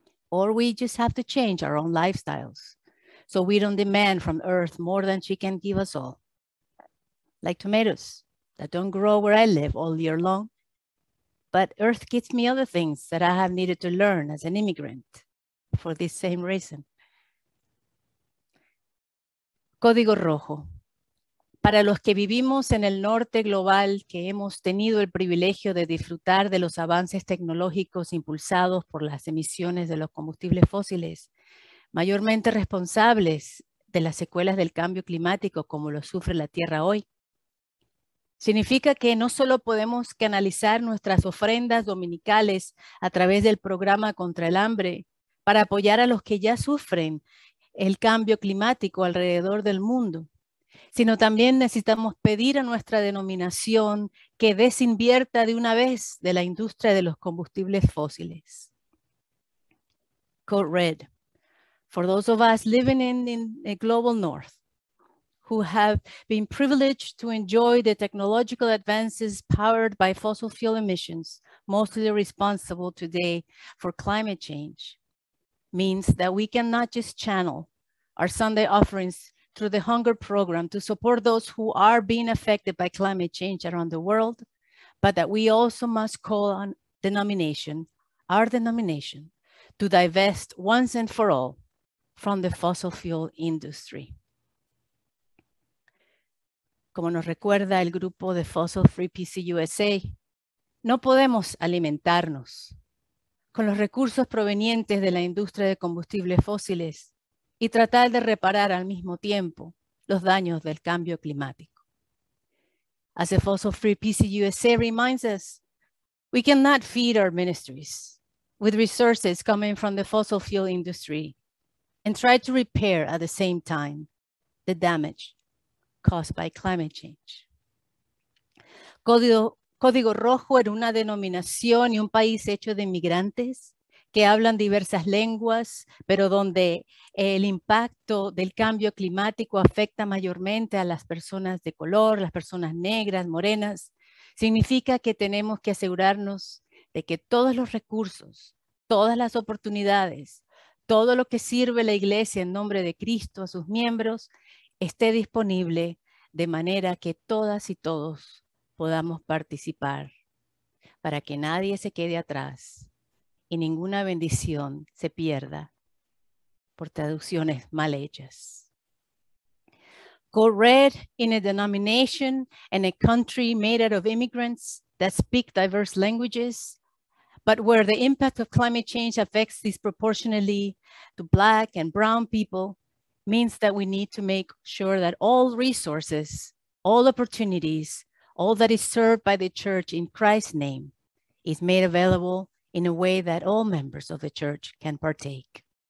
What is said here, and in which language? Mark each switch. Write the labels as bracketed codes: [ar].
[en] Or we just have to change our own lifestyles so we don't demand from Earth more than she can give us all. Like tomatoes that don't grow where I live all year long. But Earth gives me other things that I have needed to learn as an immigrant for this same reason. [es] Código Rojo. Para los que vivimos en el norte global que hemos tenido el privilegio de disfrutar de los avances tecnológicos impulsados por las emisiones de los combustibles fósiles, mayormente responsables de las secuelas del cambio climático como lo sufre la Tierra hoy, significa que no solo podemos canalizar nuestras ofrendas dominicales a través del programa contra el hambre para apoyar a los que ya sufren el cambio climático alrededor del mundo, sino también necesitamos pedir a nuestra denominación que desinvierta de una vez de la industria de los combustibles fósiles. [en] Code Red. For those of us living in a global north, who have been privileged to enjoy the technological advances powered by fossil fuel emissions, mostly responsible today for climate change, means that we cannot just channel our Sunday offerings through the hunger program to support those who are being affected by climate change around the world, but that we also must call on our denomination, to divest once and for all from the fossil fuel industry. [es] Como nos recuerda el grupo de Fossil Free PC USA, no podemos alimentarnos con los recursos provenientes de la industria de combustibles fósiles y tratar de reparar al mismo tiempo los daños del cambio climático. [en] As the Fossil Free PC USA reminds us, we cannot feed our ministries with resources coming from the fossil fuel industry and try to repair at the same time the damage caused by climate change. [es] Código Rojo era una denominación y un país hecho de inmigrantes que hablan diversas lenguas, pero donde el impacto del cambio climático afecta mayormente a las personas de color, las personas negras, morenas. Significa que tenemos que asegurarnos de que todos los recursos, todas las oportunidades, todo lo que sirve la Iglesia en nombre de Cristo a sus miembros esté disponible de manera que todas y todos podamos participar para que nadie se quede atrás y ninguna bendición se pierda por traducciones mal hechas. [en] Code Red, in a denomination and a country made out of immigrants that speak diverse languages, but where the impact of climate change affects disproportionately to Black and Brown people, means that we need to make sure that all resources, all opportunities, all that is served by the church in Christ's name is made available in a way that all members of the church can partake.